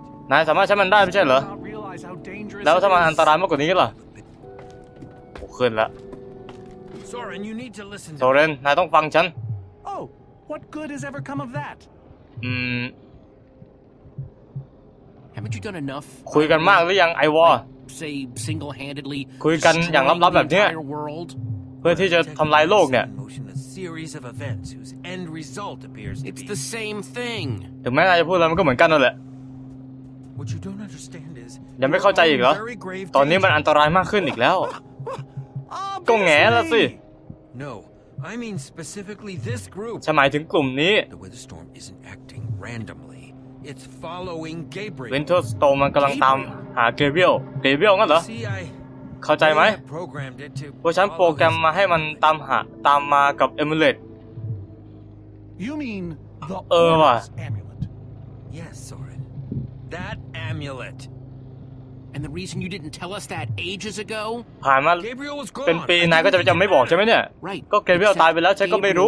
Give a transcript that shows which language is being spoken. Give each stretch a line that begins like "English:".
Thai: นายสามารถใช้มันได้ไม่ใช่เหรอแล้วถ้ามันอันตรายมากกว่านี้ล่ะโอ้ขึ้นละSoren, นายต้องฟังฉัน
English: Oh, what good has ever come of that? Haven't you done enough?
Thai: คุยกันมากหรือยังไอวอร์
English: Say single-handedly.
Thai: คุยกันอย่างลับๆแบบนี้เพื่อที่จะทำลายโลกเนี่ย
English: Series of events whose end result appears to be. It's the same thing.
Thai: ถึงแม้นายจะพูดแล้วมันก็เหมือนกันนั่นแหละ
English: What you don't understand is.
Thai: ยังไม่เข้าใจอีกเหรอตอนนี้มันอันตรายมากขึ้นอีกแล้วก็แง่แล้วสิ
English: No, I mean specifically this group.
Thai: ฉันหมายถึงกลุ่มนี้
English: The Weatherstorm isn't acting randomly. It's following Gabriel.
Thai: Weatherstorm มันกำลังตามหา Gabriel. Gabriel งั้นเหรอเข้าใจไหมเพราะฉันโปรแกรมมาให้มันตามหาตามมากับ Amulet.
English: You mean the Amulet? Yes, Soren. That Amulet. And the reason you didn't tell us that ages ago?
Thai: ผ่านมาเป็นปีนายก็จะยังไม่บอกใช่ไหมเนี่ยก็เกเบียลตายไปแล้วฉันก็ไม่รู